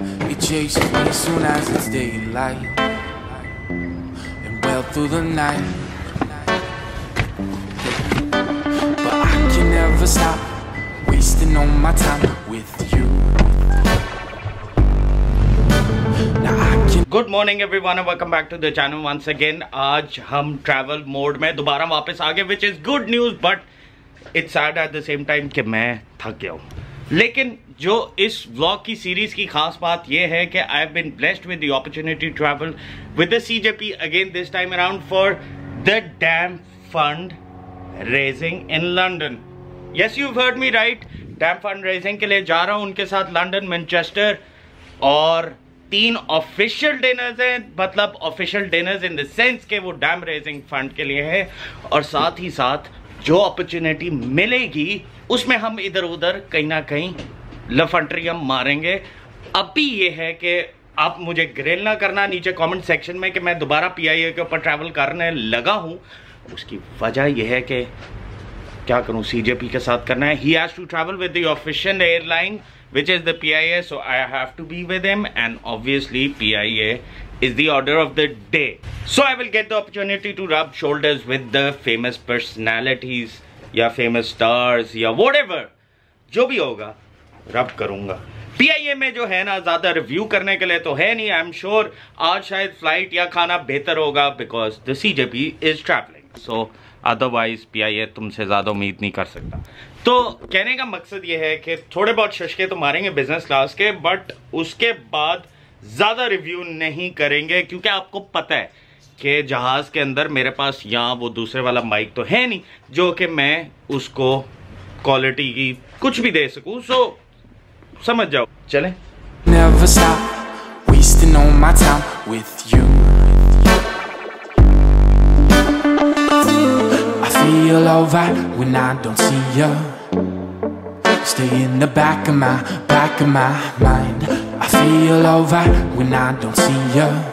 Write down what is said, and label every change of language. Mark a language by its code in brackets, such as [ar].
[en] It chases me soon as it's daylight, and well through the night. But I can never stop wasting all my time with you. Good morning everyone and welcome back to the channel once again. [hi] आज हम travel mode में दोबारा वापस आ गए, [en] which is good news, but it's sad at the same time [hi] कि मैं थक गया हूँ. लेकिन जो इस व्लॉग की सीरीज की खास बात यह है कि [en] I have been blessed with the opportunity to travel with the CJP again this time around for the dam fund raising in London. Yes, you heard me right, dam fund raising [hi] के लिए जा रहा हूँ उनके साथ [en] London, Manchester. [hi] और तीन official dinners हैं, मतलब official dinners in the sense के वो डैम रेजिंग फंड के लिए हैं. और साथ ही साथ जो अपॉर्चुनिटी मिलेगी उसमें हम इधर उधर कहीं ना कहीं लफंट्रियम मारेंगे. अभी ये है कि आप मुझे ग्रिल ना करना नीचे कमेंट सेक्शन में कि मैं दोबारा पीआईए के ऊपर ट्रैवल करने लगा हूँ. उसकी वजह यह है कि क्या करूँ, सीजेपी के साथ करना है. [en] He has to travel with the official airline which is the PIA, so I have to be with him, and obviously PIA is the order of the day. So I will get the opportunity to rub shoulders with the famous personalities, या famous stars, या whatever, [hi] जो भी होगा, rub करूँगा. PIA में जो है ना, ज़्यादा review करने के लिए तो है नहीं, [en] I'm sure, [hi] आज शायद flight या खाना बेहतर होगा, [en] because the CJP is traveling. [hi] So otherwise P I ए तुमसे ज़्यादा उम्मीद नहीं कर सकता. तो कहने का मकसद ये है कि थोड़े बहुत शशके तो मारेंगे बिजनेस क्लास के, बट उसके बाद ज़्यादा रिव्यू नहीं करेंगे, क्योंकि आपको पता है कि जहाज़ के अंदर मेरे पास यहाँ वो दूसरे वाला माइक तो है नहीं जो कि मैं उसको क्वालिटी की कुछ भी दे सकूँ. सो समझ जाओ, चलें. [en] Never stop wasting all my time with you. Feel alright when I don't see ya. Stay in the back of my mind. I feel alright when I don't see ya.